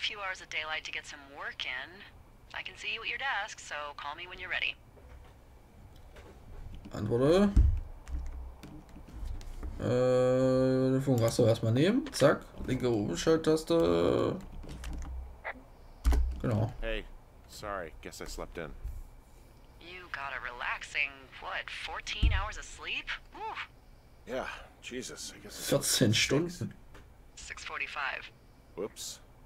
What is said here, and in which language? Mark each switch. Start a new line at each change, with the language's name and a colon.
English: Hours of daylight to get some work in. I can see you at your desk, so call me when you're ready.
German: Antworte. Den Funkraster erstmal nehmen. Zack. Linke Umschalttaste. Genau.
English: Hey, sorry. Guess I slept in. You got a relaxing, what, 14 hours of sleep? Whew. Yeah, Jesus, I guess it's 14 Stunden. 6:45. Whoops.